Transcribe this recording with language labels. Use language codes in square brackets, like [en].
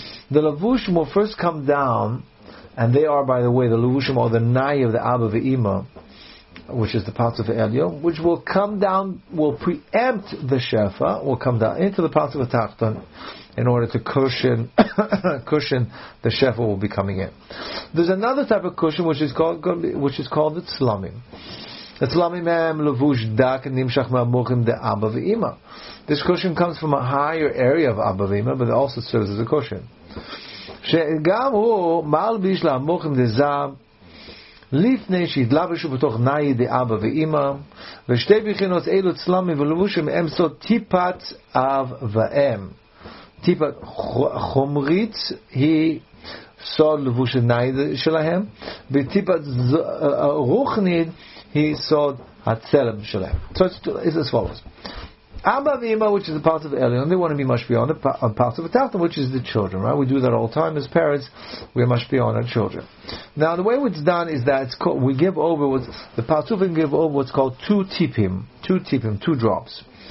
[en] The levushim will first come down, and they are, by the way, the levushim or the nai of the Abba Ve'ima, which is the paths of Elio, which will come down, will preempt the shefa, will come down into the paths of the tachton, in order to cushion the shefa will be coming in. There's another type of cushion which is called the tzlamim. [he] The tzlamim hem levush dak nimshach ma'amukim de Abba Ve'ima. [en] This cushion comes from a higher area of Abba Ve'ima, but it also serves as a cushion. [he] She'gam hu malbish la'amukim de zam. לפני שהתלבשו בתוך נאי דה אבא ואימא, ושתי בחינות אלו צלמים ולבושים הם סוד טיפת אב ואם. טיפה חומרית היא סוד לבוש נאי שלהם, וטיפת רוחנית היא סוד הצלם שלהם. [en] So it's as follows. Abba ve'ima, which is the part of Elyon, they want to be mashpia on the part of Tachton, which is the children, right? We do that all the time as parents. We mashpia on our children. Now, the way it's done is that the Patsufim give over what's called two tipim, two drops.